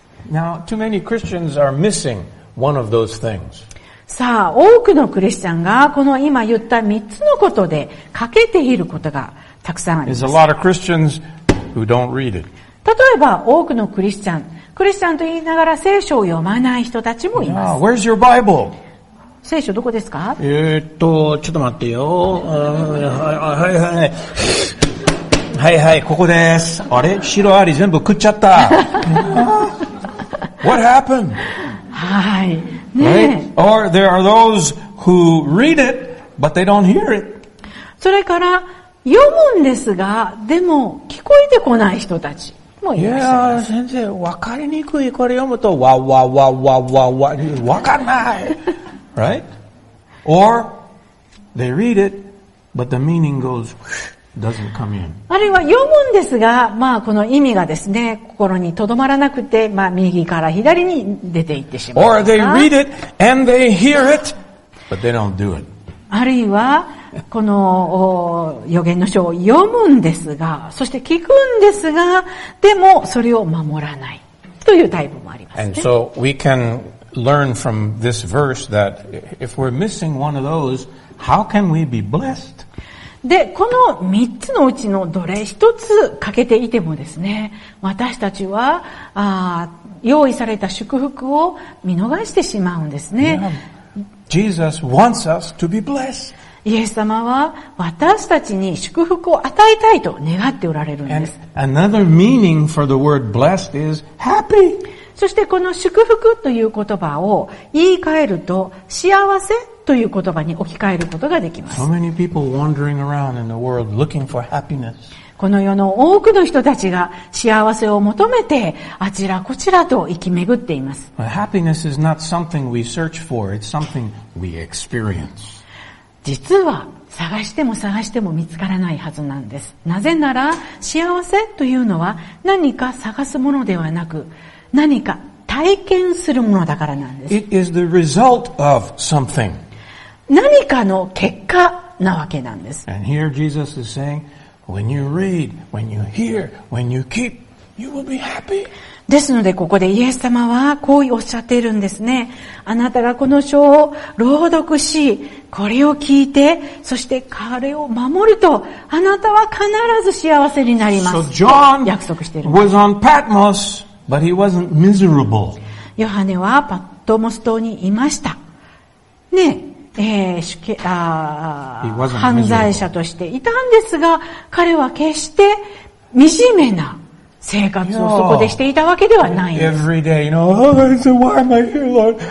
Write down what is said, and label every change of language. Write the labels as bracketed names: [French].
[English] Now, too many Christians are missing one of those things. [Japanese] さあ、多くのクリスチャンがこの今言った三つのことで欠けていることがたくさんあります。 [English] There's a lot of Christians who don't read it. [Japanese] 例えば、多くのクリスチャンと言いながら聖書を読まない人たちもいます。 [English] Now, where's your Bible? [Japanese] 聖書どこですか？ちょっと待ってよ。はいはい。はいはい、ここです。あれ？白アリ全部食っちゃった。 [English] What happened? [Japanese] はい。ねえ。 [English] Or there are those who read it, but they don't hear it. [Japanese] それから、読むんですが、でも聞こえてこない人たち。もういや先生、わかりにくい。これ読むと、わわわわわわ、わかんない。 [English] Right? Or they read it, but the meaning goes doesn't come in. [Japanese] あるいは読むんですが、まあこの意味がですね、心にとどまらなくて、まあ右から左に出ていってしまう。 [English] Or they read it and they hear it, but they don't do it. [Japanese] あるいはこの予言の書を読むんですが、そして聞くんですが、でもそれを守らないというタイプもありますね。 [English] And so we canLearn from this verse that if we're missing one of those, how can we be blessed? [Japanese] で、この三つのうちのどれ一つ欠けていてもですね、私たちは用意された祝福を見逃してしまうんですね。 [English] Yeah. Jesus wants us to be blessed. [Japanese] イエス様は私たちに祝福を与えたいと願っておられるんです。 [English] And another meaning for the word blessed is happy. [Japanese] そしてこの祝福という言葉を言い換えると幸せという言葉に置き換えることができます。 [English] So many people wandering around in the world looking for happiness. [Japanese] この世の多くの人たちが幸せを求めてあちらこちらと行き巡っています。 [English] Happiness is not something we search for, it's something we experience. [Japanese] 実は探しても探しても見つからないはずなんです。なぜなら幸せというのは何か探すものではなく何か体験するものだからなんです。 [English] It is the result of something. [Japanese] 何かの結果なわけなんです。 [English] And here Jesus is sayingWhen you read, when you hear, when you keep, you will be happy. [Japanese] ですのでここでイエス様はこうおっしゃっているんですね。あなたがこの書を朗読し、これを聞いて、そして彼を守ると、あなたは必ず幸せになります。 [English] So John was on Patmos, but he wasn't miserable. [Japanese] ヨハネはパトモス島にいました。ねえ。犯罪者としていたんですが、彼は決して惨めな生活をそこでしていたわけではないです [English] Every day, you know, so why am I here, Lord?